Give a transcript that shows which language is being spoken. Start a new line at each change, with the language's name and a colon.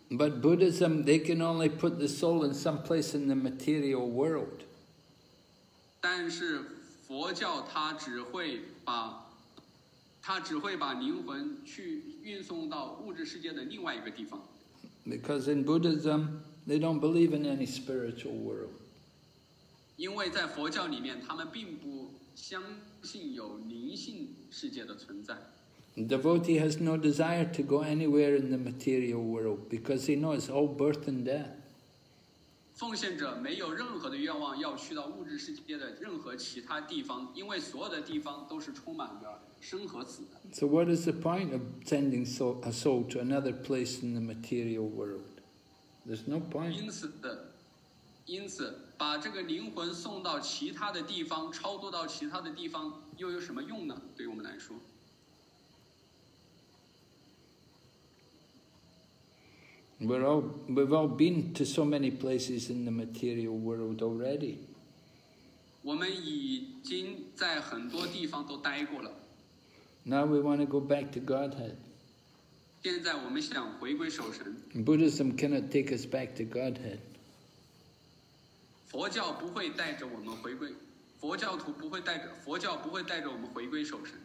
English: But Buddhism, they can only put the soul in some place in the material world.
Chinese: 但是佛教它只会把灵魂去运送到物质世界的另外一个地方。
English: Because in Buddhism, they don't believe in any spiritual world.
Chinese: 因为在佛教里面，他们并不相信有灵性世界的存在。
English: Devotee has no desire to go anywhere in the material world because he knows all birth and death.
Chinese: 奉献者没有任何的愿望要去到物质世界的任何其他地方，因为所有的地方都是充满着生和死的。
English: So what is the point of sending a soul to another place in the material world? There's no point.
Chinese: 因此的，因此把这个灵魂送到其他的地方，超度到其他的地方，又有什么用呢？对我们来说，
English: We've all been to so many places in the material world already.
Chinese: 我们已经在很多地方都待过了。
English: Now we want to go back to Godhead.
Chinese: 现在我们想回归守神。
English: Buddhism cannot take us back to Godhead.
Chinese: 佛教不会带着我们回归，佛教徒不会带着，佛教不会带着我们回归守神。